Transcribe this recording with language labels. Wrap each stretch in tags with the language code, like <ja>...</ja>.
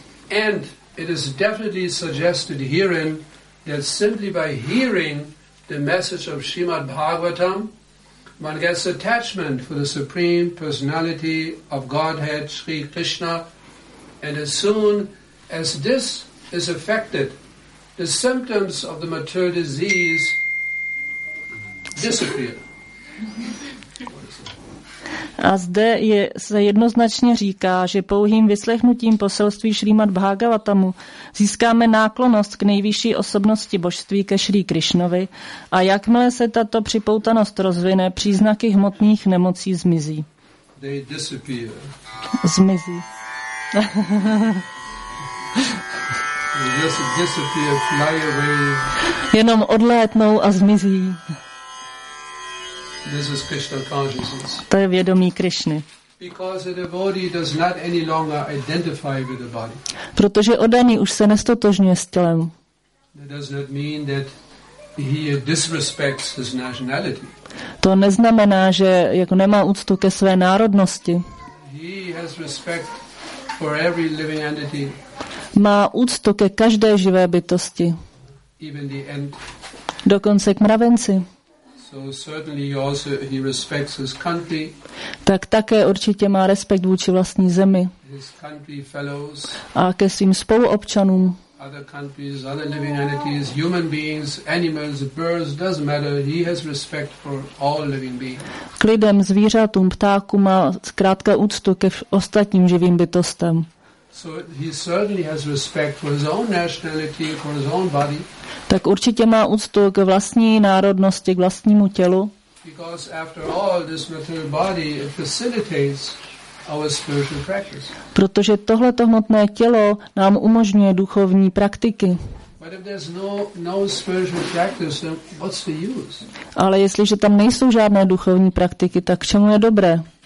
<en>And it is definitely suggested herein that simply by hearing the message of Srimad Bhagavatam, one gets attachment for the Supreme Personality of Godhead, Sri Krishna. And as soon as this is affected, the symptoms of the material disease disappear.</en> <cs>A zde je, se jednoznačně říká, že pouhým vyslechnutím poselství Šrímad Bhagavatamu získáme náklonost k nejvyšší osobnosti božství ke Šrí Krišnovi a jakmile se tato připoutanost rozvine, příznaky hmotných nemocí zmizí.</cs> <en>They disappear.</en> <cs>Zmizí.</cs> <en>They disappear, fly away.</en> <cs>Jenom odlétnou a zmizí.</cs> <en>This is Krishna consciousness.</en> <cs>To je vědomí Krišny.</cs> <en>Because the body does not any longer identify with the body.</en> <cs>Protože oddaný už se nestotožňuje s tělem.</cs> <en>That does not mean that he disrespects his nationality.</en> <cs>To neznamená, že jako nemá úctu ke své národnosti.</cs> <en>He has respect for every living entity.</en> <cs>Má úctu ke každé živé bytosti.</cs> <en>Even the ant.</en> <cs>Dokonce k mravenci.</cs> <en>So certainly also he respects his country.</en> <cs>Tak také určitě má respekt vůči vlastní zemi.</cs> <en>His country fellows.</en> <cs>A ke svým spoluobčanům.</cs> <en>Other countries, other living entities, human beings, animals, birds, doesn't matter. He has respect for all living beings.</en> <cs>K lidem, zvířatům, ptákům má zkrátka úctu ke ostatním živým bytostem.</cs> <en>So he certainly has respect for his own nationality, for his own body.</en> <cs>Tak určitě má úctu k vlastní národnosti, k vlastnímu tělu.</cs> <en>Because after all, this material body facilitates our spiritual practice.</en> <cs>Protože tohleto hmotné tělo nám umožňuje duchovní praktiky.</cs> <en>But if there's no spiritual practice, then what's the use?</en> <cs>Ale jestliže tam nejsou žádné duchovní praktiky, tak k čemu je dobré?</cs>